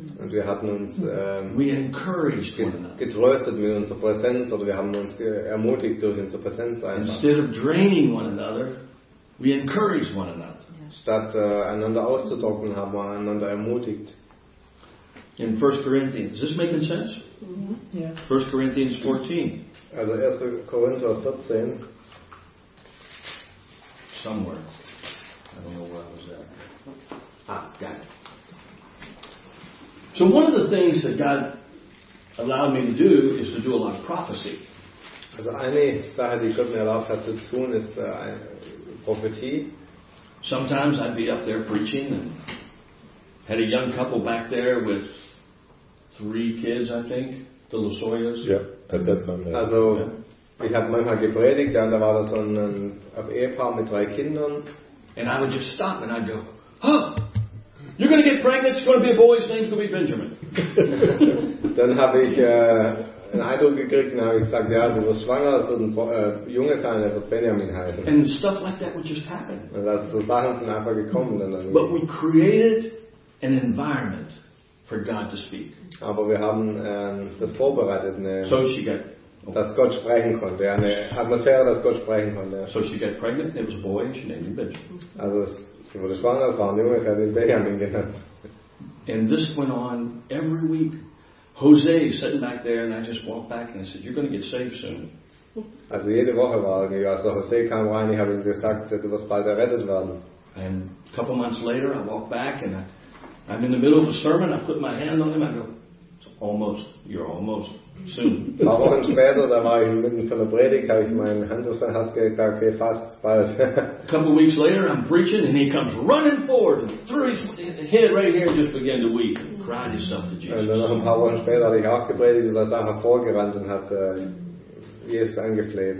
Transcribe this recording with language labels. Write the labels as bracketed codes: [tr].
[de] Und wir hatten uns [en] we encouraged one another. [de] Getröstet mit unserer Präsenz, oder wir haben uns ermutigt durch unsere Präsenz einfach. [en] Instead of draining one another, we encouraged one another. [de] Statt einander auszutrocknen, haben wir einander ermutigt. [en] In 1 Corinthians. Is this making sense? Yeah. 1 Corinthians 14. [de] Also 1 Korinther 14. [en] Somewhere. I don't know where I was at. Got it. So one of the things that God allowed me to do is to do a lot of prophecy. [de] Also eine Sache, die Gott mir erlaubt hat zu tun, ist Prophetie. [en] Sometimes I'd be up there preaching and had a young couple back there with 3 kids, I think, the Lasoyas. Yeah, at that time. Yeah. Also, yeah. [de] Ich habe manchmal gepredigt, ja, und da war das so ein Ehepaar mit 3 Kindern. [en] And I would just stop and I'd go, huh, you're going to get pregnant, it's going to be a boy, his name's going to be Benjamin. [de] Dann habe ich einen Eindruck gekriegt und habe gesagt, ja, du wirst schwanger, es wird ein Junge sein, der wird Benjamin heißen. [en] And stuff like that would just happen. [de] Und das, so Sachen sind einfach gekommen. Dann [en] but we created an environment for God to speak. [de] Aber wir haben das vorbereitet, [en] so she got, [de] dass Gott sprechen konnte, ja, eine Atmosphäre, dass Gott sprechen konnte. [en] So she got pregnant, it was a boy, and she named him Benjamin. [de] Also sie wurde schwanger, es war ein Junge, sie hat ihn Benjamin genannt. [en] And this went on every week. Jose is sitting back there, and I just walked back and I said, "You're going to get saved soon." [de] Also jede Woche war irgendwie, also Jose kam rein, ich habe ihm gesagt, du wirst bald errettet werden. [en] And a couple months later, I walked back and I'm in the middle of a sermon. I put my hand on him. I go, it's almost, you're almost soon. [de] Ein paar Wochen später, da war ich mitten von der Predigt, habe ich meine Hand auf sein Herz gelegt, okay, fast, bald. [en] A couple weeks later, I'm preaching, and he comes running forward, and threw his head right here, and just began to weep, and cried himself to Jesus. [de] Und dann noch ein paar Wochen später, hatte ich auch gepredigt, und er ist einfach vorgerannt und hat Jesus angefleht.